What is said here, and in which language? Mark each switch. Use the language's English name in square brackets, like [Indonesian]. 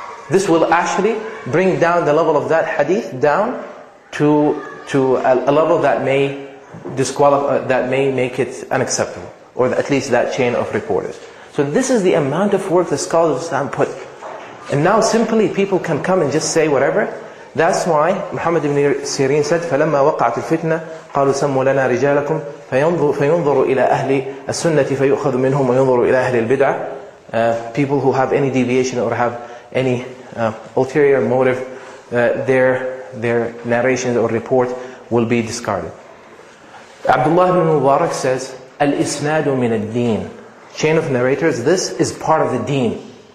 [English] This will actually bring down the level of that hadith down to a level that may disqualify, that may make it unacceptable, or at least that chain of reporters. So this is the amount of work the scholars of Islam put. And now simply people can come and just say whatever. That's why Muhammad ibn Sirin said, [Arabic] فَلَمَّا وَقَعَتِ الْفِتْنَةِ قَالُوا سَمُّوا لَنَا رِجَالَكُمْ فَيُنظُرُوا إِلَى أَهْلِ السُنَّةِ فَيُؤْخَذُ مِنْهُمْ وَيُنظُرُوا إِلَى أَهْلِ الْبِدْعَةِ. [English] People who have any deviation or have any ulterior motive, their narrations or report will be discarded. Abdullah ibn Mubarak says, [Arabic] الْإِسْنَادُ مِنَ الدِّينِ. [English] Chain of narrators, this is part of the deen.